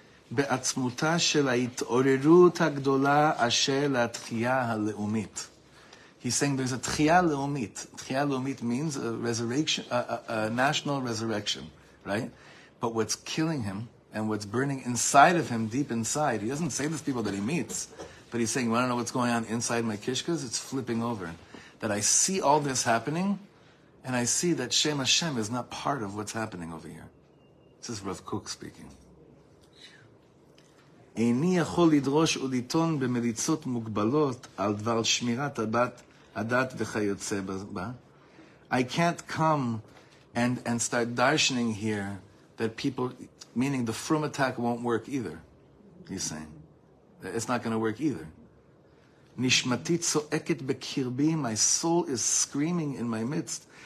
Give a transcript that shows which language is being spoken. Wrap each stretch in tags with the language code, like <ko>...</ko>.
<he>בעצמותה של ההתעוררות הגדולה אשר לתחייה הלאומית.</he> <en>He's saying there's a תחייה לאומית. תחייה לאומית means a national resurrection, right? But what's killing him and what's burning inside of him, deep inside, he doesn't say this to people that he meets, but he's saying, you want to know what's going on inside my kishkas? It's flipping over. That I see all this happening, and I see that Shem Hashem is not part of what's happening over here. This is Rav Kook speaking.</en> <he>איני יכול לדרוש ולטעון במליצות מוגבלות על דבר שמירת הדת וכיוצא בה.</he> <en>I can't come and start darshening here that people, meaning the frum attack won't work either, he's saying. It's not going to work either.</en> <he>Nishmati tzo'eket bekirbi,</he> <en>my soul is screaming in my midst.</en>